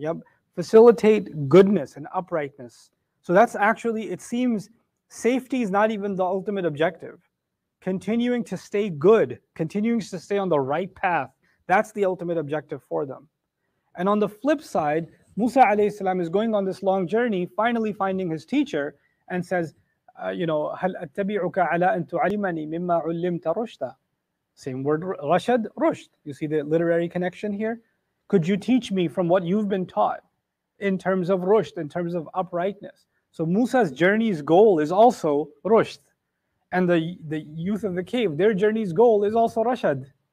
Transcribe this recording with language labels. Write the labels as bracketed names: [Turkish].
[English] Ya, facilitate goodness and uprightness. So that's actually, it seems, safety is not even the ultimate objective. Continuing to stay good, continuing to stay on the right path, that's the ultimate objective for them. And on the flip side, Musa alayhi salam is going on this long journey, finally finding his teacher, and says, [Arabic] هل أتبعك على أن تعلمني مما علمت رشدا. [English] Same word, رشد, رشد. You see the literary connection here? Could you teach me from what you've been taught in terms of rushd, in terms of uprightness? So Musa's journey's goal is also rushd. And the youth of the cave, their journey's goal is also rashad.